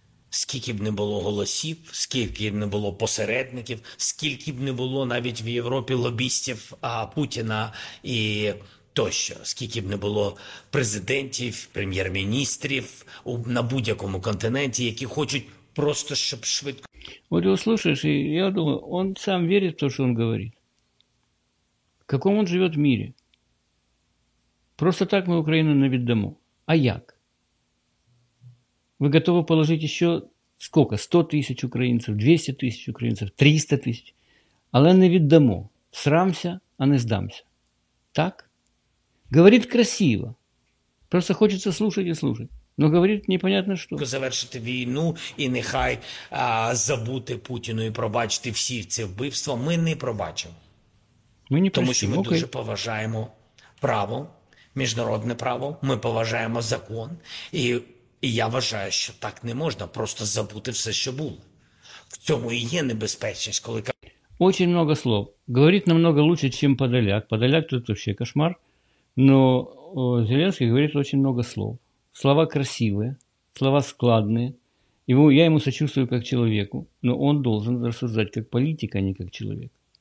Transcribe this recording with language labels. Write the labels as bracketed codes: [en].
[uk] Скільки б не було голосів, скільки б не було посередників, скільки б не було навіть в Європі лобістів Путіна і тощо, скільки б не було президентів, прем'єр-міністрів на будь-якому континенті, які хочуть просто, щоб швидко. [ru] Вот его слушаешь, и я думаю, он сам верит в то, что он говорит. В каком он живет в мире? Просто так мы Украину не отдамо. [uk] А як? [ru] Вы готовы положить еще сколько? 100 тысяч украинцев, 200 тысяч украинцев, 300 тысяч. Але не отдамо. Срамся, а не сдамся. Так? Говорит красиво. Просто хочется слушать и слушать. Ну, говорить непонятно що. [uk] Завершити війну і нехай забути Путіну і пробачити всі ці вбивства, ми не пробачимо. Ми не Тому що ми простимо, окей. дуже поважаємо право, міжнародне право, ми поважаємо закон. І я вважаю, що так не можна просто забути все, що було. В цьому і є небезпечність, коли... [ru] Очень много слов. Говорить намного лучше, чем Подоляк. Подоляк тут вообще кошмар. Но Зеленский говорит очень много слов. Слова красивые, слова складные. Его, я ему сочувствую как человеку, но он должен рассуждать как политик, а не как человек.